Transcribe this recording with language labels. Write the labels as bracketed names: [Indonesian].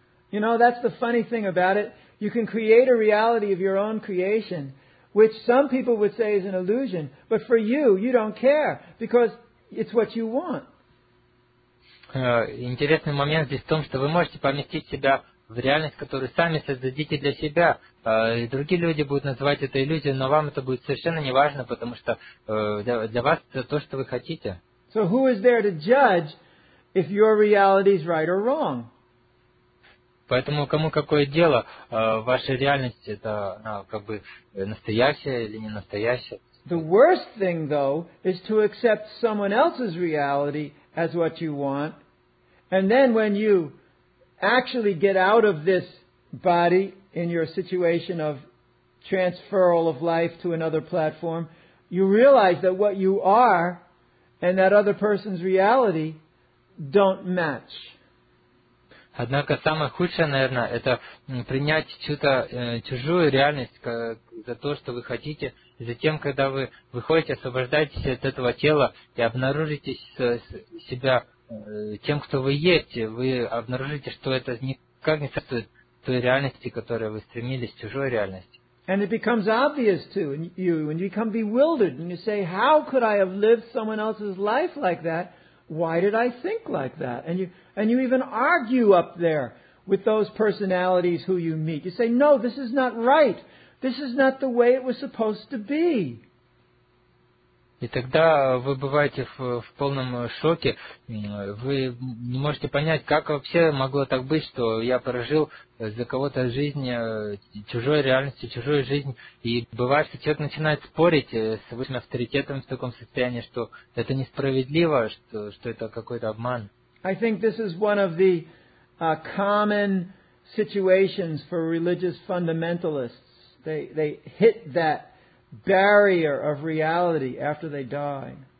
[English] You know, that's the funny thing about it. You can create a reality of your own creation, which some people would say is an illusion, but for you, you don't care, because it's what you want. [Russian] Интересный момент здесь в том, что вы можете поместить себя в реальность, которую сами создадите для себя. И другие люди будут называть это иллюзией, но вам это будет совершенно не важно, потому что для вас это то, что вы хотите. [English] So who is there to judge if your reality is right or wrong? [Russian] Поэтому кому какое дело, ваша реальность это как бы настоящая или не настоящая? [English] The worst thing, though, is to accept someone else's reality as what you want, and then when you actually get out of this body in your situation of transferal of life to another platform, you realize that what you are and that other person's reality don't match. [Russian] Однако самое худшее, наверное, это принять чью-то чужую реальность за то, что вы хотите. Затем, когда вы выходите, освобождаетесь от этого тела и обнаружите себя тем, кто вы есть, вы обнаружите, что это никак не соответствует той реальности, к которой вы стремились, чужой реальности. [English] And it becomes obvious to you, and you become bewildered, and you say, how could I have lived someone else's life like that? Why did I think like that? And you even argue up there with those personalities who you meet. You say, no, this is not right. This is not the way it was supposed to be. [Russian] И тогда вы бываете в полном шоке. Вы не можете понять, как вообще могло так быть, что я прожил за кого-то жизнь, чужой реальностью, чужую жизнь. И бывает, что человек начинает спорить с высшим авторитетом в таком состоянии, что это несправедливо, что это какой-то обман. [English] I think this is one of the common situations for religious fundamentalists. They hit that barrier of reality after they die.